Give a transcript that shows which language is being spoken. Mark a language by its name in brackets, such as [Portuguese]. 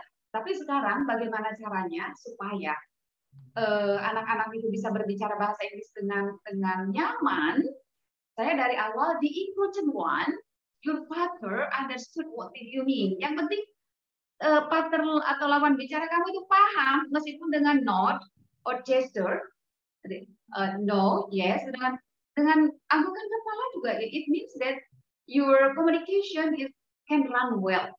[Indonesian] Tapi sekarang bagaimana caranya supaya anak-anak itu bisa berbicara bahasa Inggris dengan nyaman? Saya dari awal [English] the important one, your partner understood what did you mean. [Indonesian] Yang penting partner atau lawan bicara kamu itu paham meskipun dengan [English] nod or gesture, no, yes, [Indonesian] dengan anggukan kepala juga. [English] It means that your communication can run well.